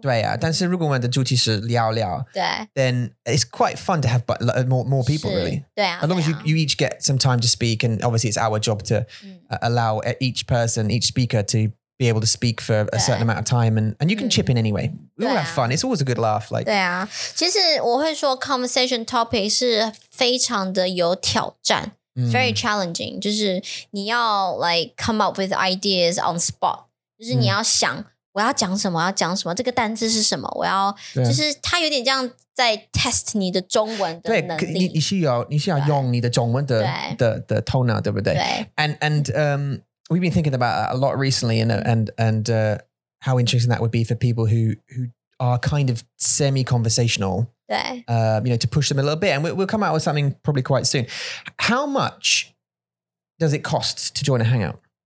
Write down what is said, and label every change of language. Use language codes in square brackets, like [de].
[zh] 对啊，但是如果我们的主题是聊聊，对， [en] then it's quite fun to have more people really。 [zh] 对啊。 [en] As long as you each get some time to speak, and obviously it's our job to allow each person each speaker to be able to speak for a certain amount of time and you can chip in anyway. We all have fun. It's always a good laugh. Like, [zh] 对啊，其实我会说 [en] conversation topic [zh] 是非常的有挑战、嗯、 [en] very challenging. [zh] 就是你要 [en] like come up with ideas on spot. [zh] 就是你要想、嗯、我要讲什么，要讲什么，这个单字是什么，我要就是它有点这样在 test 你的中文的能力。对，你需要用你的中文的头脑，对不对？对。 [en] And we've been thinking about that a lot recently, and how interesting that would be for people who are kind of semi-conversational, you know, to push them a little bit. And we'll come out with something probably quite soon. How much does it cost to join a hangout?